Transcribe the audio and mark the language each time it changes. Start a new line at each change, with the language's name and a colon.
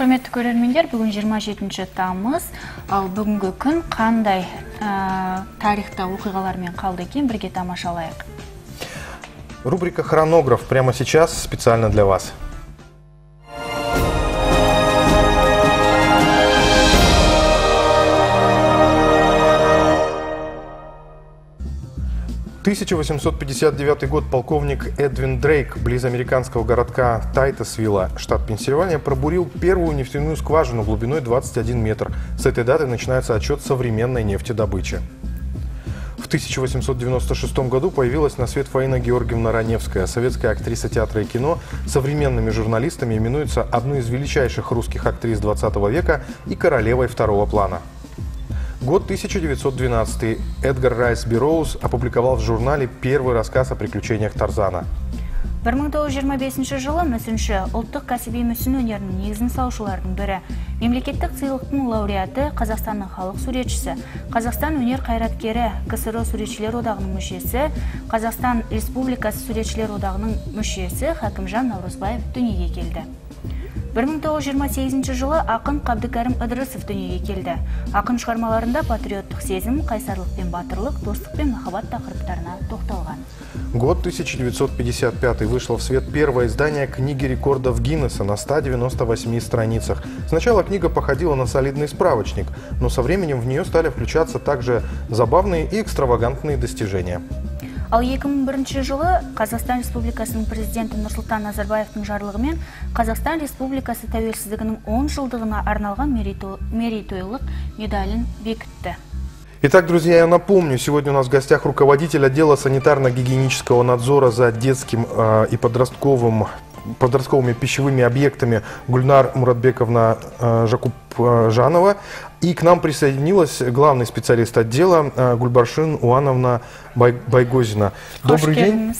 Kazakh: Көрермендер, бүгін 27-ші тамыз, ал бүгінгі күн қандай тарихта оқиғалармен қалды екен, бірге тамашалайық.
Russian: Рубрика «Хронограф» прямо сейчас специально для вас. В 1859 год полковник Эдвин Дрейк близ американского городка Тайтосвилла, штат Пенсильвания, пробурил первую нефтяную скважину глубиной 21 метр. С этой даты начинается отчет современной нефтедобычи. В 1896 году появилась на свет Фаина Георгиевна Раневская, советская актриса театра и кино, современными журналистами именуется одной из величайших русских актрис 20 века и королевой второго плана. Год 1912. Эдгар Райс Бироуз опубликовал в журнале первый рассказ о приключениях Тарзана.
Kazakh: 1925 жылы мүсінші ұлттық кәсіби мүсін өнерінің негізін салушылардың бірі. Мемлекеттік сыйлықтың лауреаты Қазақстанның халық суретшісі, Қазақстан өнер қайраткері КСРО суретшілер одағының мүшесі, Қазақстан Республикасы суретшілер одағының мүшесі Хакімжан Наурызбаев дүниеге келді. 1928 жылы ақын Қабдыкәрім Ыдырысов дүниеге келді. Ақын шығармаларында патриоттық сезім, қайсарлық пен батырлық, достық пен махаббат тақырыптарына тоқталған.
Russian: Год 1955. Вышло в свет первое издание книги рекордов Гиннесса на 198 страницах. Сначала книга походила на солидный справочник, но со временем в нее стали включаться также забавные и экстравагантные достижения.
Kazakh: Ал 2001 жылы Қазақстан Республикасының президенті Нұрсұлтан Назарбаевтың жарлығымен Қазақстан Республикасы тәуелсіздігінің 10 жылдығына арналған мерейтойлық медалін бекітті.
Russian: Итак, друзья, я напомню, сегодня у нас в гостях руководитель отдела санитарно-гигиенического надзора за детским и подростковыми пищевыми объектами Гульнар Муратбековна Жакупжанова. И к нам присоединилась главный специалист отдела Гульбаршин Уановна Байгозина. Добрый день.